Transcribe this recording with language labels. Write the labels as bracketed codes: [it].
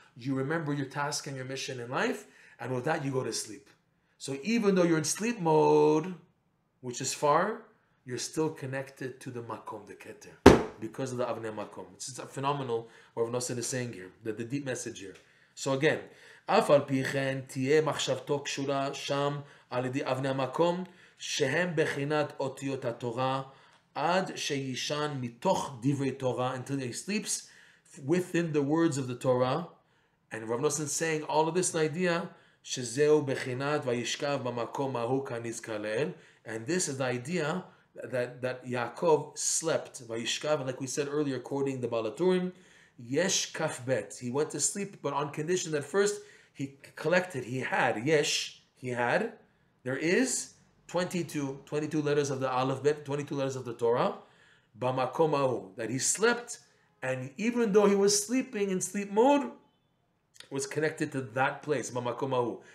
[en] You remember your task and your mission in life. And with that, you go to sleep. So even though you're in sleep mode, which is far, you're still connected to the Makom, the Keter, because of the Avnei Makom. It's a phenomenal what Reb Noson is saying here, the deep message here. So again, [he] אף על פי כן תהיה מחשבתו קשורה שם על ידי אבני המקום שהם בחינת אותיות התורה עד שישן מתוך דברי תורה [en] until he sleeps within the words of the Torah. And Rav Noson saying all of this idea [he] שזהו בחינת וישכב במקום ההוא כנזכר לאל. [en] And this is the idea that Yaakov slept וישכב, like we said earlier quoting the Baal HaTurim, [he] יש כף בית, [en] he went to sleep, but on condition that first he collected, he had, yesh, he had, there is 22 letters of the Aleph Bet, 22 letters of the Torah, b'makom ahu, that he slept, and even though he was sleeping in sleep mode, was connected to that place, b'makom ahu.